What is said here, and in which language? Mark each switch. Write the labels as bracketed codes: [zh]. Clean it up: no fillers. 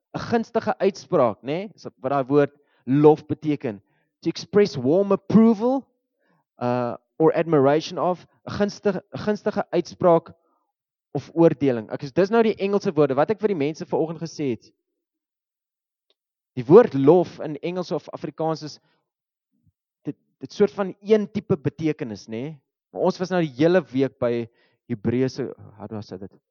[af] 'n Gunstige uitspraak, né? Nee? So, wat daai woord lof beteken. [en] To express warm approval or admiration of. [af] 'n gunstige uitspraak of oordeling. Ek sê dis nou die Engelse woorde wat ek vir die mense vanoggend gesê het. Die woord lof in Engels of Afrikaans is dit soort van een tipe betekenis, né? Nee? Maar ons was nou die hele week by Hebreëse, [en] how do I say that?